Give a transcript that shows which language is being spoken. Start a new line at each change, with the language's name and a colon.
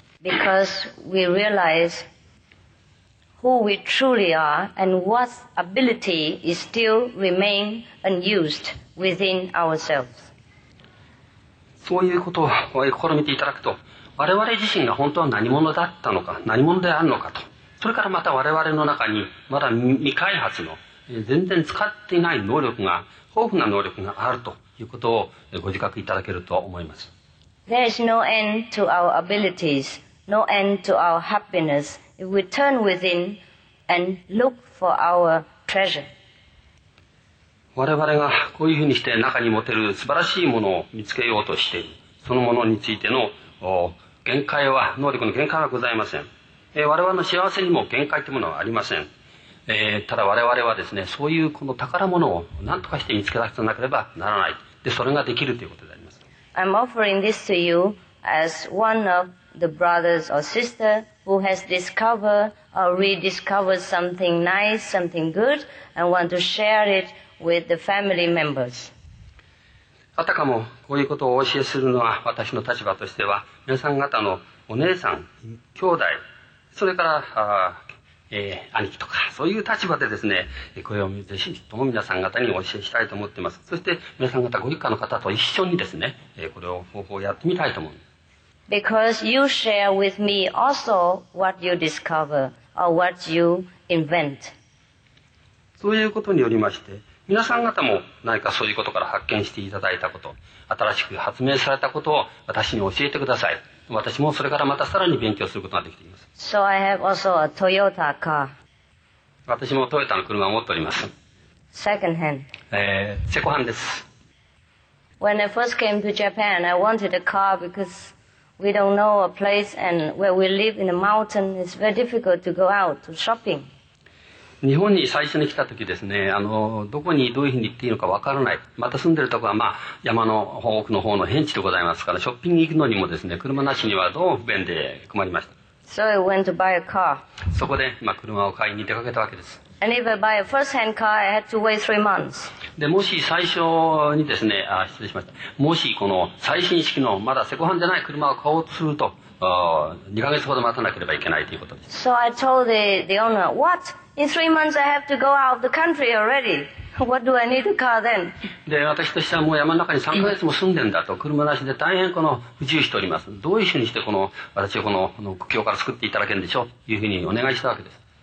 English: Because we realize who we truly are and what ability is still remain unused within ourselves.
Japanese: そういうことを試みていただくと、我々自身が本当は何者だったのか、何者であるのかと、それからまた我々の中にまだ未開発の全然使っていない能力が、豊富な能力があるということをご自覚いただけると思います。
English: There is no end to our abilities, no end to our happiness if we turn within and look for our treasure.
Japanese: 我々がこういうふうにして中に持てる素晴らしいものを見つけようとしている、そのものについての限界は、能力の限界はございません。我々の幸せにも限界というものはありません。ただ我々はですね、そういうこの宝物を何とかして見つけ出さなければならない。で、それができるということであります。
English: I'm offering this to you as one of the brothers or sister who has discovered or rediscovered something nice, something good, and want to share it with the family members.
Japanese: あたかもこういうことをお教えするのは私の立場としては、皆さん方のお姉さん、兄弟、それから兄貴とか、そういう立場でですね、これをぜひとも皆さん方にお教えしたいと思っています。そして皆さん方ご一家の方と一緒にですね、これを方法をやってみたいと思う。
English: Because you share with me also what you discover or what you invent.
Japanese: そういうことによりまして、皆さん方も何かそういうことから発見していただいたこと、新しく発明されたことを私に教えてください。私もそれからまたさらに勉強することができています。
English: So I have also a Toyota car.
Japanese: 私もトヨタの車を持っております。
English: Second hand.
Japanese: セコハンです。
English: When I first came to Japan, I wanted a car because we don't know a place and where we live in a mountain, it's very difficult to go out to shopping.
Japanese: 日本に最初に来た時ですね、どこにどういうふうに行っていいのかわからない。また住んでるところは、山の奥の方の辺地でございますから、ショッピング行くのにもですね、車なしにはどう不便で困りました。
English: So I went to buy a car.
Japanese: そこで、車を買いに出かけたわけです。
English: And if I buy a first-hand car, I had to wait 3 months.
Japanese: で、もし最初にですね、失礼しました。もしこの最新式のまだセコハンじゃない車を買おうとすると、2ヶ月ほど待たなければいけないということです。
English: So I told the owner, what? In 3 months I have to go out of the country already. What do I need a car then?
Japanese: で、私としてはもう山の中に3ヶ月も住んでんだと、車なしで大変この不自由しております。どういうふうにしてこの私をこの苦境から救っていただけるんでしょうというふうにお願いしたわけです。